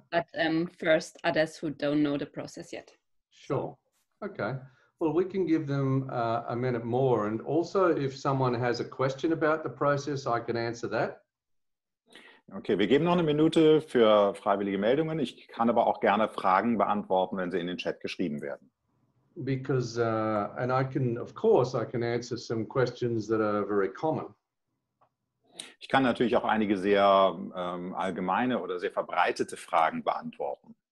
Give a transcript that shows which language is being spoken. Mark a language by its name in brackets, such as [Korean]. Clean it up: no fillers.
[English] But first, others who don't know the process yet. Sure. Okay. Well, we can give them a minute more. And also, if someone has a question about the process, I can answer that. [German] Okay, wir geben noch eine Minute für freiwillige Meldungen. Ich kann aber auch gerne Fragen beantworten, wenn sie in den Chat geschrieben werden. [English] Because, and I can, of course, I can answer some questions that are very common. [German] Ich kann natürlich auch einige sehr allgemeine oder sehr verbreitete Fragen beantworten.